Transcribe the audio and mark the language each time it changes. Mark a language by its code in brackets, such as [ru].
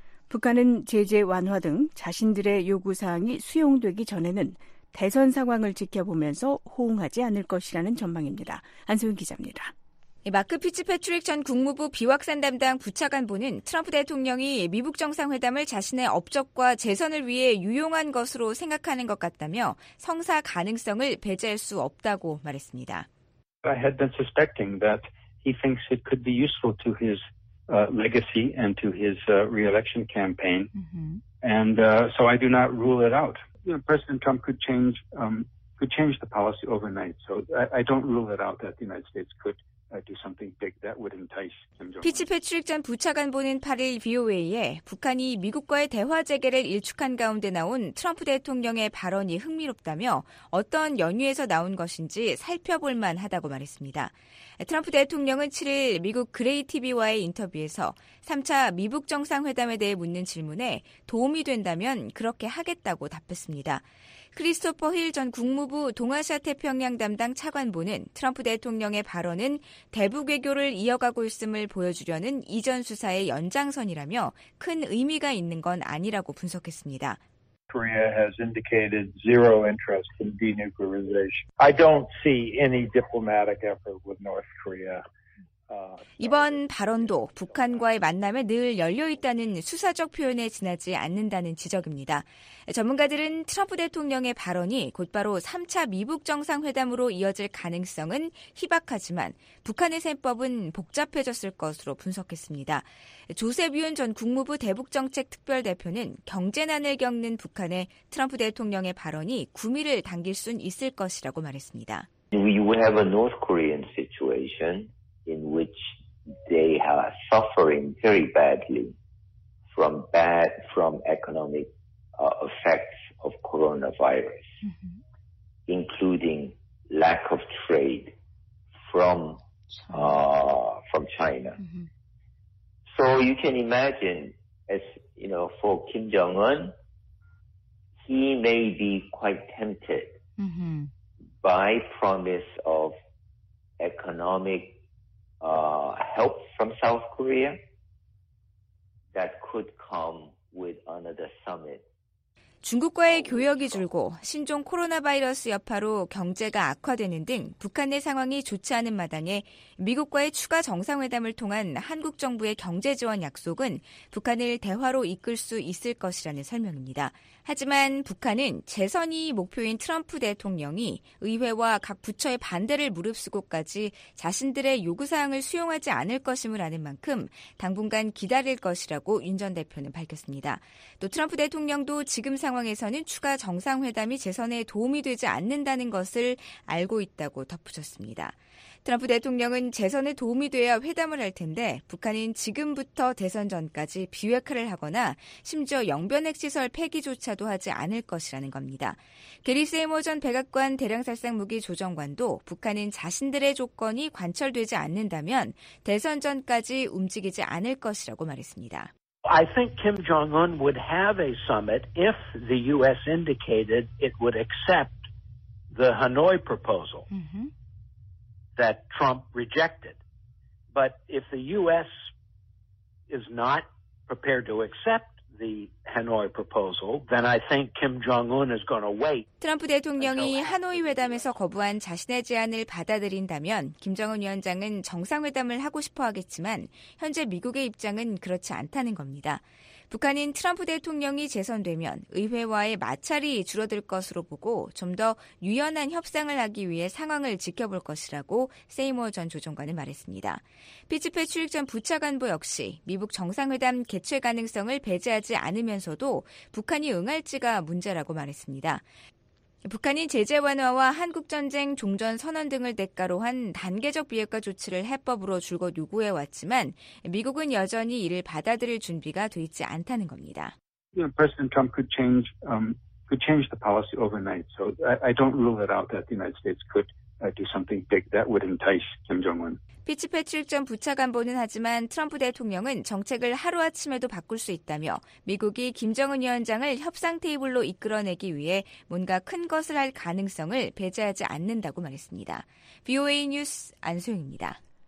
[ko] 북한은 제재 완화 등 자신들의 요구사항이 수용되기 전에는 대선 상황을 지켜보면서 호응하지 않을 것이라는 전망입니다. 안소윤 기자입니다. 마크 피츠패트릭 전 국무부 비확산 담당 부차관보는 트럼프 대통령이 미북 정상회담을 자신의 업적과 재선을 위해 유용한 것으로 생각하는 것 같다며 성사 가능성을 배제할 수 없다고 말했습니다. [en] I had been suspecting that he thinks it could be useful to his legacy and to his re-election campaign. And so I do not rule it out. You know, President Trump could change the policy overnight. So I don't rule it out that the United States could do something big that would entice Kim Jong-un. [ko] 피츠패트릭 전 부차관보는 8일 VOA에 북한이 미국과의 대화 재개를 일축한 가운데 나온 트럼프 대통령의 발언이 흥미롭다며 어떤 연유에서 나온 것인지 살펴볼 만하다고 말했습니다. 트럼프 대통령은 7일 미국 그레이 TV와의 인터뷰에서 3차 미북 정상회담에 대해 묻는 질문에 도움이 된다면 그렇게 하겠다고 답했습니다. 크리스토퍼 힐 전 국무부 동아시아 태평양 담당 차관보는 트럼프 대통령의 발언은 대북 외교를 이어가고 있음을 보여주려는 이전 수사의 연장선이라며 큰 의미가 있는 건 아니라고 분석했습니다. [en] Korea has indicated zero interest in denuclearization. I don't see any diplomatic effort with North Korea. [ko] 이번 발언도 북한과의 만남에 늘 열려있다는 수사적 표현에 지나지 않는다는 지적입니다. 전문가들은 트럼프 대통령의 발언이 곧바로 3차 미북 정상회담으로 이어질 가능성은 희박하지만 북한의 셈법은 복잡해졌을 것으로 분석했습니다. 조셉 윤 전 국무부 대북정책특별대표는 경제난을 겪는 북한에 트럼프 대통령의 발언이 구미를 당길 순 있을 것이라고 말했습니다. [en] We have a North Korean situation. In which they are suffering very badly from economic effects of coronavirus, including lack of trade from China. So you can imagine, as you know, for Kim Jong Un, he may be quite tempted by promise of economic help from South Korea that could come with another summit. [ko] 중국과의 교역이 줄고 신종 코로나 바이러스 여파로 경제가 악화되는 등 북한의 상황이 좋지 않은 마당에 미국과의 추가 정상회담을 통한 한국 정부의 경제 지원 약속은 북한을 대화로 이끌 수 있을 것이라는 설명입니다. 하지만 북한은 재선이 목표인 트럼프 대통령이 의회와 각 부처의 반대를 무릅쓰고까지 자신들의 요구사항을 수용하지 않을 것임을 아는 만큼 당분간 기다릴 것이라고 윤 전 대표는 밝혔습니다. 또 트럼프 대통령도 지금 상황에서는 추가 정상회담이 재선에 도움이 되지 않는다는 것을 알고 있다고 덧붙였습니다. 트럼프 대통령은 재선에 도움이 돼야 회담을 할 텐데 북한은 지금부터 대선 전까지 비핵화를 하거나 심지어 영변핵시설 폐기조차도 하지 않을 것이라는 겁니다. 게리 세이머 전 백악관 대량살상무기 조정관도 북한은 자신들의 조건이 관철되지 않는다면 대선 전까지 움직이지 않을 것이라고 말했습니다. [en] I think Kim Jong-un would have a summit if the U.S. indicated it would accept the Hanoi proposal that Trump rejected. But if the U.S. is not prepared to accept the Hanoi proposal, then I think Kim Jong-un is going to wait. [ko] 트럼프 대통령이 하노이 회담에서 거부한 자신의 제안을 받아들인다면 김정은 위원장은 정상회담을 하고 싶어 하겠지만 현재 미국의 입장은 그렇지 않다는 겁니다. 북한은 트럼프 대통령이 재선되면 의회와의 마찰이 줄어들 것으로 보고 좀 더 유연한 협상을 하기 위해 상황을 지켜볼 것이라고 세이머 전 조정관은 말했습니다. 피츠페 출입 전 부차관보 역시 미북 정상회담 개최 가능성을 배제하지 않으면서도 북한이 응할지가 문제라고 말했습니다. 북한이 제재 완화와 한국전쟁 종전 선언 등을 대가로 한 단계적 비핵화 조치를 해법으로 줄곧 요구해왔지만 미국은 여전히 이를 받아들일 준비가 돼 있지 않다는 겁니다. [en] President Trump could change the policy overnight. So I don't rule it out that the United States could do something big that would entice Kim Jong-un. [ko] 피치 패트릭 전 부차관보는 하지만 트럼프 대통령은 정책을 하루아침에도 바꿀 수 있다며 미국이 김정은 위원장을 협상 테이블로 이끌어내기 위해 뭔가 큰 것을 할 가능성을 배제하지 않는다고 말했습니다. VOA 뉴스 안소영입니다.